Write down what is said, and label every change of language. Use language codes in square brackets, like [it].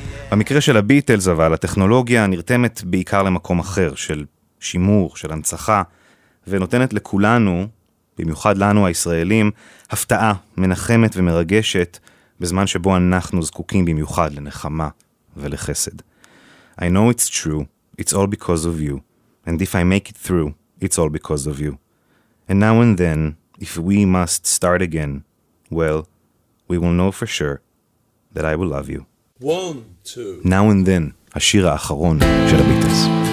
[he] במקרה של הביטלס אבל, הטכנולוגיה נרתמת בעיקר למקום אחר, של שימור, של הנצחה, ונותנת לכולנו, במיוחד לנו הישראלים, הפתעה מנחמת ומרגשת בזמן שבו אנחנו זקוקים במיוחד לנחמה ולחסד. [en] I know it's true, it's all because of you. And if I make it through, it's all because of you. And now and then, if we must start again, well, we will know for sure that I will love you. One, two. [he] Now and then, השיר האחרון של הביטלס.